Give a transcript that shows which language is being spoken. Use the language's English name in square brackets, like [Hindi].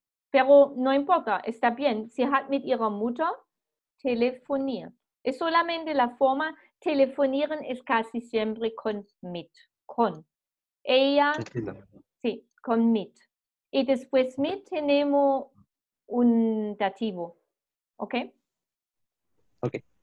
[Spanish] Pero no importa, está bien. [German] Sie hat mit ihrer Mutter telefoniert. [Spanish] Es solamente la forma, telefonieren es casi siempre con mit. Con. Ella, sí, con mit. Y después mit tenemos un dativo. ¿Ok? Ok.